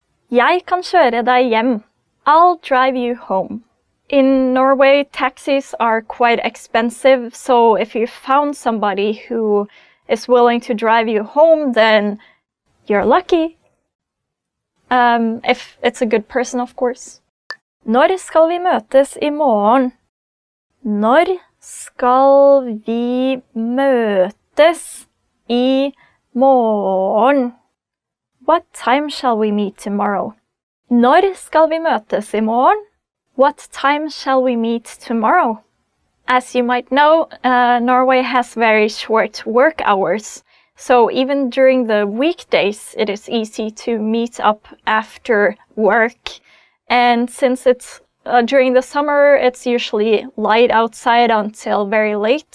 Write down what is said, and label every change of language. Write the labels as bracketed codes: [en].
[no] Jeg kan kjøre deg hjem. [en] I'll drive you home. In Norway, taxis are quite expensive, so if you found somebody who is willing to drive you home, then you're lucky. If it's a good person, of course. [no] Når skal vi møtes I morgen? Når skal vi møtes I morgen? [en] What time shall we meet tomorrow? [no] Når skal vi møtes I morgen? [en] What time shall we meet tomorrow? As you might know, Norway has very short work hours. So even during the weekdays, it is easy to meet up after work. And since it's during the summer, it's usually light outside until very late.